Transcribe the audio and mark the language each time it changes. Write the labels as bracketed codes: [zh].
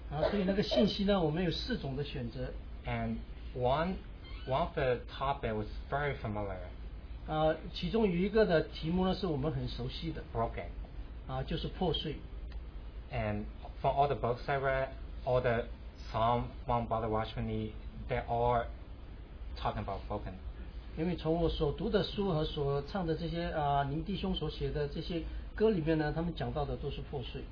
[zh] 所以那个信息呢，我们有四种的选择。 [en] And one of the topic was very familiar. [zh] 其中有一个的题目呢，是我们很熟悉的。 [en] Broken. [zh] 就是破碎。 [en] And for all the books I read, all the Psalm from Brother Rashmani, they are talking about broken. [zh] 因为从我所读的书和所唱的这些您弟兄所写的这些歌里面呢，他们讲到的都是破碎。